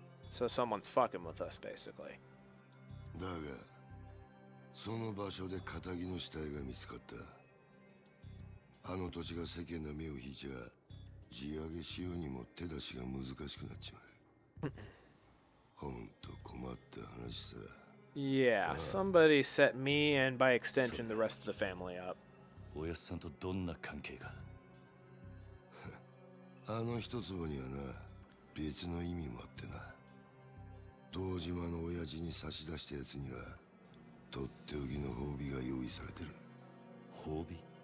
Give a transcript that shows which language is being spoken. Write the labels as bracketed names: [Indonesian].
[English] So someone's fucking with us, basically. [Japanese] だが、その場所で仇の死体が見つかった。あの土地が世間の目を引いちゃ、地上げしようにも手出しが難しくなっちまう。本当困った話さ。 [English] Yeah, somebody set me and by extension the rest of the family up. [Japanese] おやすさんとどんな関係が？あの一坪にはな、別の意味もあってな。堂島の親父に差し出したやつには、とっておきの褒美が用意されてる。褒美？